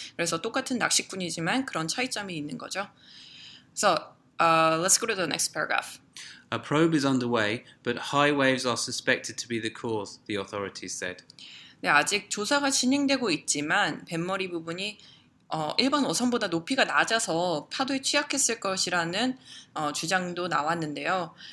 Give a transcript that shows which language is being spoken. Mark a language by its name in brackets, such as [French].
[Korean] 그래서 똑같은 낚시꾼이지만 그런 차이점이 있는 거죠. [English] So, let's go to the next paragraph. A probe is underway, but high waves are suspected to be the cause, the authorities said. [Korean] 네, 아직 조사가 진행되고 있지만 뱃머리 부분이 일반 어선보다 높이가 낮아서 파도에 취약했을 것이라는 주장도 나왔는데요.